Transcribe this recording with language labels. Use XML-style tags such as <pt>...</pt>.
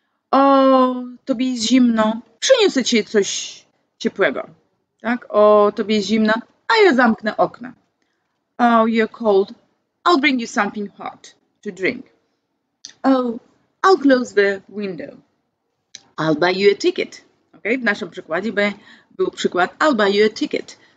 <pl>O, tobie jest zimno, przyniosę ci coś ciepłego, tak? O, tobie jest zimno, a ja zamknę okna.</pl> <en>O, you're cold, I'll bring you something hot to drink. O, I'll close the window, I'll buy you a ticket.</en> <pl>Okay? W naszym przykładzie był przykład</pl> <en>I'll buy you a ticket.</en>